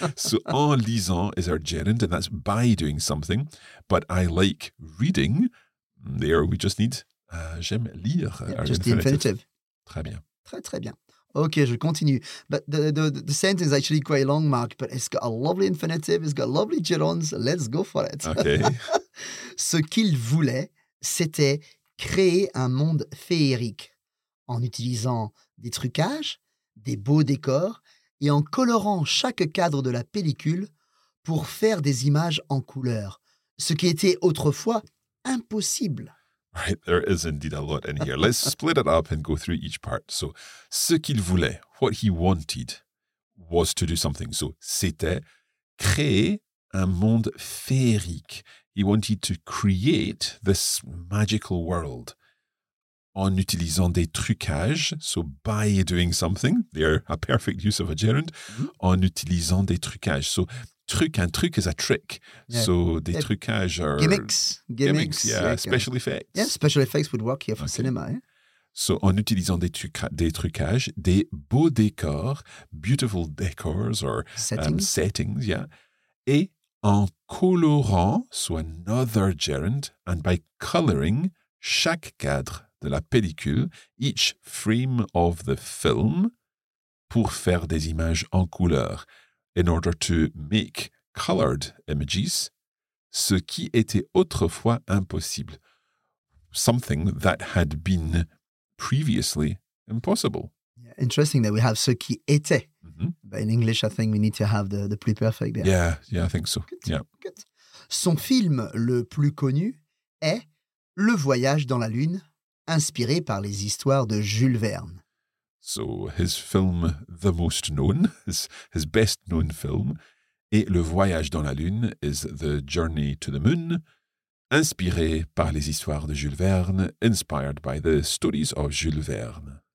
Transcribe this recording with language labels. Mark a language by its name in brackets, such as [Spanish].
[English] So, [French] en lisant [English] is our gerund, and that's by doing something. But I like reading. There, we just need [French] j'aime lire. [English] Yeah, just infinitive. The infinitive. [French] Très bien. Très, très bien. Ok, je continue. [English] But the sentence is actually quite long, Mark, but it's got a lovely infinitive, it's got lovely gerunds. Let's go for it. Ok. [French] Ce qu'il voulait, c'était créer un monde féerique en utilisant des trucages, des beaux décors et en colorant chaque cadre de la pellicule pour faire des images en couleur, ce qui était autrefois impossible. [English] Right, there is indeed a lot in here. Let's split it up and go through each part. So, [French] ce qu'il voulait, [English] what he wanted, was to do something. [French] So, c'était créer un monde féerique. [English] He wanted to create this magical world. [French] En utilisant des trucages, [English] so by doing something, they're a perfect use of a gerund, [French] en utilisant des trucages. [English] So, [French] un truc [English] is a trick. Yeah. So, [French] des trucages [English] are... Gimmicks. Special effects. Yeah, special effects would work here for cinema. Eh? So, [French] en utilisant des trucages, des beaux décors, [English] beautiful decors or settings, [French] et en colorant, [English] so another gerund, and by coloring [French] chaque cadre de la pellicule, [English] each frame of the film, [French] pour faire des images en couleur, [English] in order to make colored images, [French] ce qui était autrefois impossible, [English] something that had been previously impossible. Yeah, interesting that we have [French] ce qui était, [English] but in English I think we need to have the plus perfect there. Yeah, I think so. Good. Yeah. Good. [French] Son film le plus connu est Le Voyage dans la Lune, inspiré par les histoires de Jules Verne. [English] So his film, the most known, his best known film, [French] Et le voyage dans la lune, [English] is The Journey to the Moon, [French] inspiré par les histoires de Jules Verne, [English] inspired by the stories of Jules Verne.